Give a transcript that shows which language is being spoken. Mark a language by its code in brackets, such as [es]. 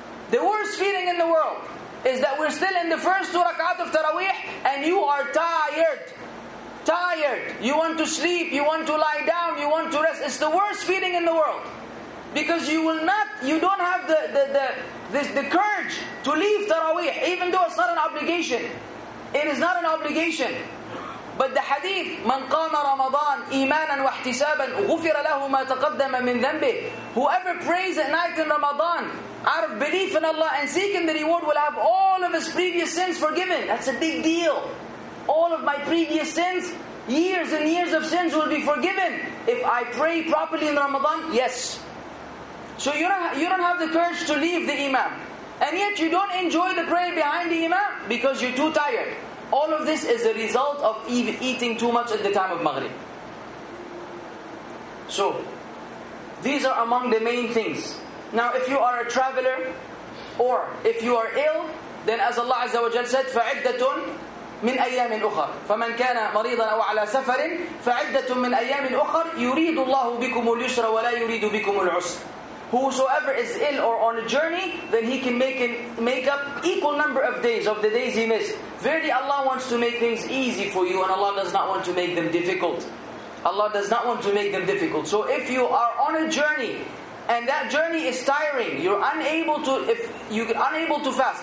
[en] The worst feeling in the world is that we're still in the first two rak'at of Taraweeh and you are tired. Tired. You want to sleep, you want to lie down, you want to rest. It's the worst feeling in the world. Because you will not, you don't have the courage to leave Taraweeh, even though it's not an obligation. It is not an obligation. But the hadith, [ar] من قام رمضان إيمانا واحتسابا غفر له ما تقدم من ذنبه. [en] Whoever prays at night in Ramadan out of belief in Allah and seeking the reward will have all of his previous sins forgiven. That's a big deal. All of my previous sins, years and years of sins will be forgiven if I pray properly in Ramadan. Yes. So you don't have the courage to leave the imam. And yet you don't enjoy the prayer behind the imam because you're too tired. All of this is a result of eating too much at the time of Maghrib. So, these are among the main things. Now, if you are a traveler, or if you are ill, then as Allah Azza wa Jal said, [ar] فَعِدَّةٌ مِنْ أَيَّامٍ أُخَرٍ فَمَنْ كَانَ مَرِيضًا أَوْ عَلَىٰ سَفَرٍ فَعِدَّةٌ مِنْ أَيَّامٍ أُخَرٍ يُرِيدُ اللَّهُ بِكُمُ الْيُسْرَ وَلَا يُرِيدُ بِكُمُ الْعُسْرَ. [en] Whosoever is ill or on a journey, then he can make up equal number of days of the days he missed. Verily, Allah wants to make things easy for you, and Allah does not want to make them difficult. Allah does not want to make them difficult. So if you are on a journey, and that journey is tiring, you're unable to, if you're unable to fast.